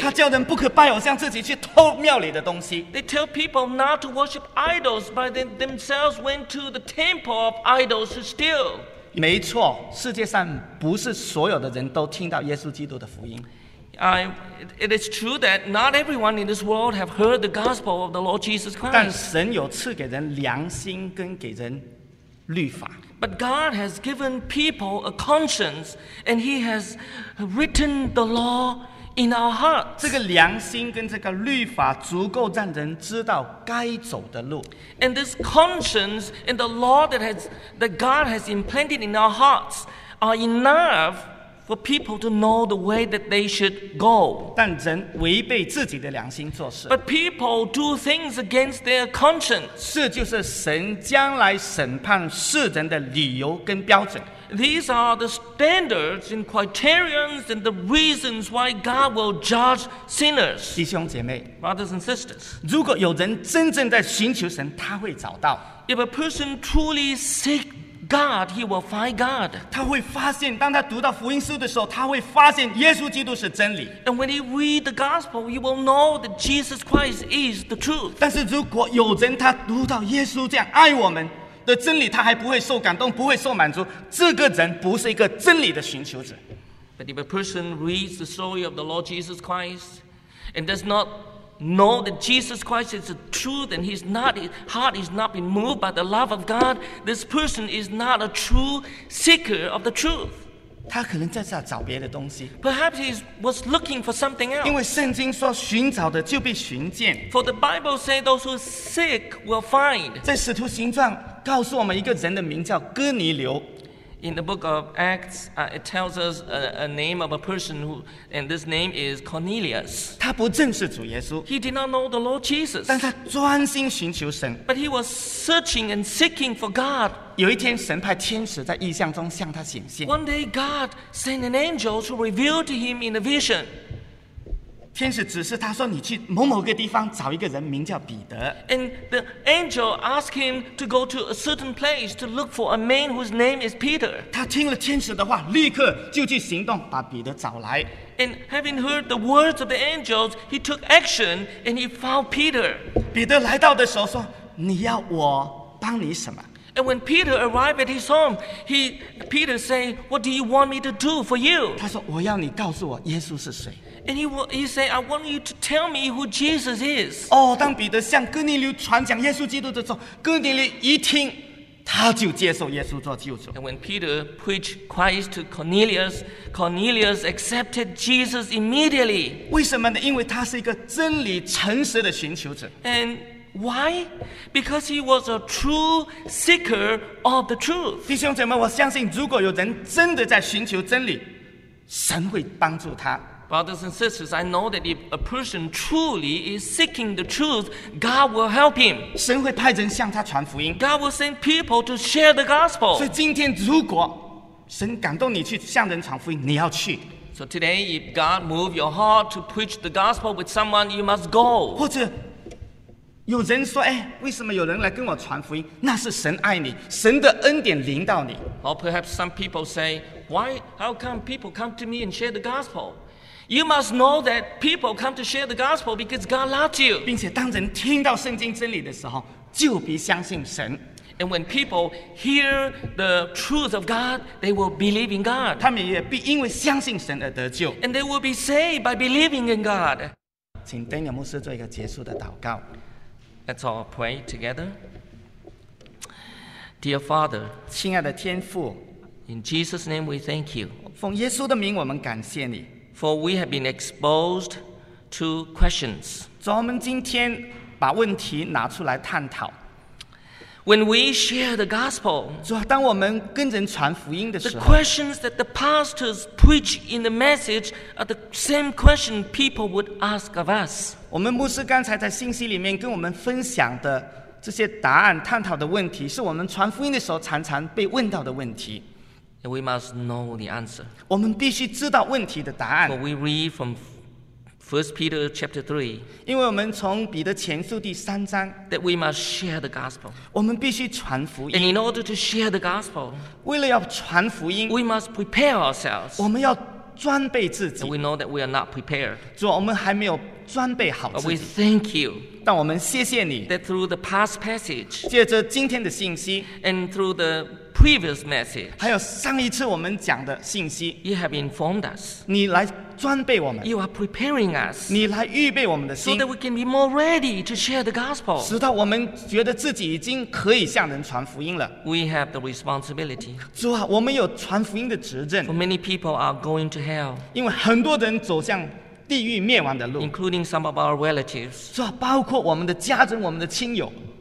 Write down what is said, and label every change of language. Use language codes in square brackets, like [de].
[zh] 他教人不可拜偶像，自己去偷庙里的东西。 [en] They tell people not to worship idols, but they themselves went to the temple of idols to steal. [zh] 没错，世界上不是所有的人都听到耶稣基督的福音。 [en] It is true that not everyone in this world have heard the gospel of the Lord Jesus Christ. [zh] 但神有赐给人良心跟给人律法。 [en] But God has given people a conscience, and He has written the law in our hearts. [zh] 这个良心跟这个律法足够让人知道该走的路。 [en] And this conscience and the law that God has implanted in our hearts are enough for people to know the way that they should go. [zh] 但人违背自己的良心做事。 [en] But people do things against their conscience. [zh] 这就是神将来审判世人的理由跟标准。 [en] These are the standards and criterions and the reasons why God will judge sinners. [zh] 弟兄姐妹， [en] brothers and sisters, [zh] 如果有人真正在寻求神，他会找到。 [en] If a person truly seeks God, he will find God. [zh] 他会发现，当他读到福音书的时候，他会发现耶稣基督是真理。 [en] And when he read the gospel, he will know that Jesus Christ is the truth. [zh] 但是如果有人他读到耶稣这样爱我们的真理，他还不会受感动，不会受满足，这个人不是一个真理的寻求者。 [en] But if a person reads the story of the Lord Jesus Christ and does not know that Jesus Christ is the truth and his heart is not been moved by the love of God, this person is not a true seeker of the truth. [zh] 他可能在这找别的东西。 [en] Perhaps he was looking for something else. [zh] 因为圣经说寻找的就必寻见。 [en] For the Bible says those who seek will find. [zh] 在使徒行传告诉我们一个人的名叫哥尼流。 [en] In the book of Acts, it tells us a name of a person who, and this name is Cornelius. [zh] 他不认识主耶稣。 [en] He did not know the Lord Jesus. [zh] 但他专心寻求神。 [en] But he was searching and seeking for God. [zh] 有一天，神派天使在异象中向他显现。 [en] One day, God sent an angel to reveal to him in a vision. [zh] 天使指示他说：“你去某某个地方找一个人，名叫彼得。” [en] And the angel asked him to go to a certain place to look for a man whose name is Peter. [zh] 他听了天使的话，立刻就去行动，把彼得找来。 [en] And having heard the words of the angels, he took action and he found Peter. [zh] 彼得来到的时候说：“你要我帮你什么？” [en] And when Peter arrived at his home, Peter said, "What do you want me to do for you?" [zh] 他说：“我要你告诉我耶稣是谁。” [en] And he said, "I want you to tell me who Jesus is." [zh] 哦，当彼得向哥尼流传讲耶稣基督的时候，哥尼流一听，他就接受耶稣做救主。 [en] And when Peter preached Christ to Cornelius, Cornelius accepted Jesus immediately. [zh] 为什么呢？因为他是一个真理诚实的寻求者。 [en] And why? Because he was a true seeker of the truth. [zh] 弟兄姐妹，我相信如果有人真的在寻求真理，神会帮助他。 [en] Brothers and sisters, I know that if a person truly is seeking the truth, God will help him. [zh] 神会派人向他传福音。 [en] God will send people to share the gospel. [zh] 所以今天如果神感动你去向人传福音，你要去。 [en] So today, if God moves your heart to preach the gospel with someone, you must go. [zh] 或者有人说，哎，为什么有人来跟我传福音？那是神爱你，神的恩典临到你。 [en] Or perhaps some people say, why? How come people come to me and share the gospel? You must know that people come to share the gospel because God loves you. [zh] 并且当人听到圣经真理的时候，就必相信神。 [en] And when people hear the truth of God, they will believe in God. [zh] 他们也必因为相信神而得救。 [en] And they will be saved by believing in God. [zh] 请丹尼尔牧师做一个结束的祷告。 [en] Let's all pray together. Dear Father, [zh] 亲爱的天父 [en] ，In Jesus' name we thank you. [zh] 奉耶稣的名，我们感谢你。 [en] For we have been exposed to questions. [zh] 主，我们今天把问题拿出来探讨。 [en] When we share the gospel, [zh] 主，当我们跟人传福音的时候 [en] ，The questions that the pastors preach in the message are the same question people would ask of us. [zh] 我们牧师刚才在信息里面跟我们分享的这些答案、探讨的问题，是我们传福音的时候常常被问到的问题。 [en] We must know the answer. [zh] 我们必须知道问题的答案。 [en] For we read from 1 Peter chapter 3. [zh] 因为我们从彼得前书第三章。 [en] That we must share the gospel. [zh] 我们必须传福音。 [en] And in order to share the gospel, [zh] 为了要传福音 [en] we must prepare ourselves. [zh] 我们要装备自己。 [en] And we know that we are not prepared. [zh] 主，我们还没有装备好自己。 [en] But we thank you. [zh] 但我们谢谢你。 [en] That through the past passage, [zh] 借着今天的信息 [en] ，and through the previous message, [zh] 还有上一次我们讲的信息 [en] ，you have informed us. [zh] 你来装备我们。 [en] You are preparing us. [zh] 你来预备我们的心。 [en] So that we can be more ready to share the gospel. [zh] 使到我们觉得自己已经可以向人传福音了。 [en] We have the responsibility. [zh] 主啊，我们有传福音的职任。 [en] For many people are going to hell. [zh] 因为很多人走向地狱灭亡的路 [en] including some of our relatives. [zh] 主啊，包括我们的家人，我们的亲友。